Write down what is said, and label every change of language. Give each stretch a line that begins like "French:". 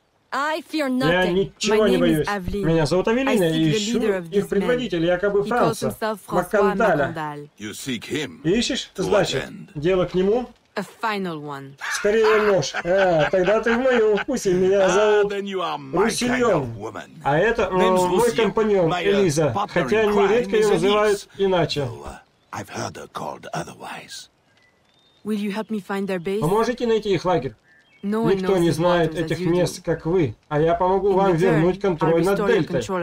Russian: Я ничего не боюсь. Меня зовут Авелина, и ищу их предводителя, якобы Франца, Макандаля. Ищешь? Ты значит, дело к нему? Скорее нож. А, тогда ты в моем вкусе. Меня зовут Руссельон. А это мой компаньон, Элиза. Хотя они редко ее называют иначе.
English: I've heard her called otherwise. Will you help me find their base?
Russian: Можете найти их лагерь? No, никто не знает этих мест, как вы, а я помогу вам вернуть контроль над дельтой.